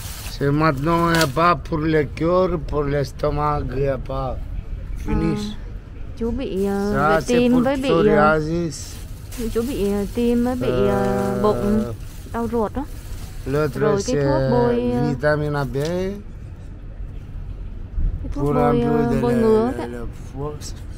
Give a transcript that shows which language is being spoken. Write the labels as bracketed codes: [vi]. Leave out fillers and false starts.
[fr] C'est maintenant, il n'y a pas pour le cœur, pour l'estomac, il n'y a pas. [en] Finish. [vi] Chú bị tim với bị... [fr] Psoriasis. [vi] Chú bị tim với bị bụng, đau ruột đó. [fr] L'autre [vi] rồi, [fr] c'est vitamine B pour un peu de la force.